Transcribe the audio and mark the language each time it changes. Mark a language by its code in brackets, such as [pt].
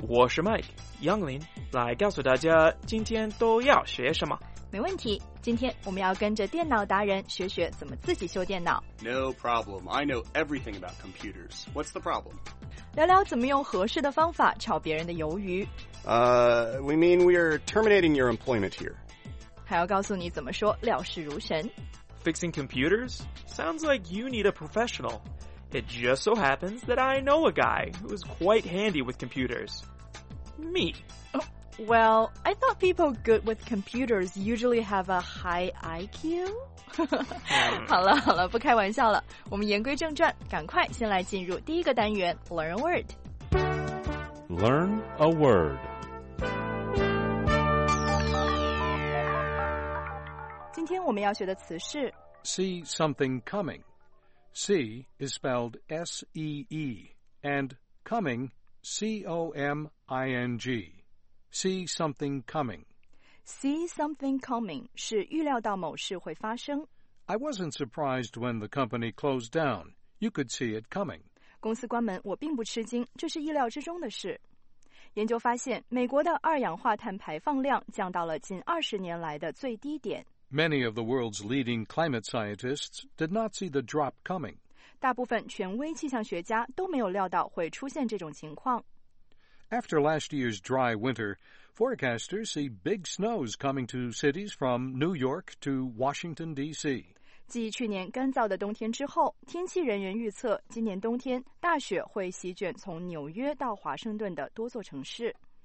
[zh] 我是 Mike， 杨林来告诉大家今天都要学什么。没问题，今天我们要跟着电脑达人学学怎么自己修电脑。 [en] No problem, I know everything about computers. What's the problem? [zh] 聊聊怎么用合适的方法炒别人的鱿鱼。 [en] We mean we are terminating your employment here. [zh] 还要告诉你怎么说料事如神。 [en] Fixing computers? Sounds like you need a professional. It just so happens that I know a guy who is quite handy with computers. Me. Well, I thought people good with computers usually have a high IQ. [zh] 好了好了，不开玩笑了。我们言归正传，赶快先来进入第一个单元 , [en] Learn a Word. Learn a Word. [zh] 今天我们要学的词是 [en] See something coming. See is spelled S-E-E and coming C-O-M-I-N-G. See something coming. See something coming [zh] 是预料到某事会发生。 [en] I wasn't surprised when the company closed down. You could see it coming. [zh] 公司关门我并不吃惊，这是意料之中的事。研究发现美国的二氧化碳排放量降到了近二十年来的最低点。 [en] Many of the world's leading climate scientists did not see the drop coming. [zh] 大部分权威气象学家都没有料到会出现这种情况。 [en] After last year's dry winter, forecasters see big snows coming to cities from New York to Washington, D.C. [zh] 继去年干燥的冬天之后，天气人员预测今年冬天大雪会席卷从纽约到华盛顿的多座城市。